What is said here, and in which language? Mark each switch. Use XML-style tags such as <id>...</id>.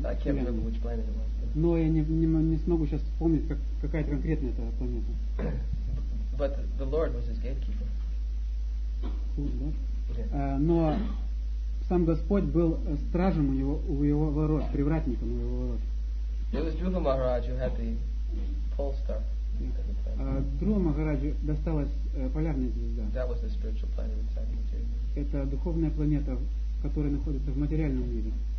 <en>I can't remember which planet it was.</en> <ru>Но я не смогу сейчас вспомнить, какая конкретно эта планета.</ru> <en>But the Lord was his gatekeeper.</en> <ru>Но сам Господь был стражем у него, у его ворот, привратником у его ворот.</ru> <en>It was Dhruva Maharaj who had the pole star.</en> <ru>Дхрува Махараджу досталась полярная звезда.</ru> <en>That was the spiritual planet inside the material universe.</en> <ru>Это духовная планета, которая находится в материальном мире.</ru>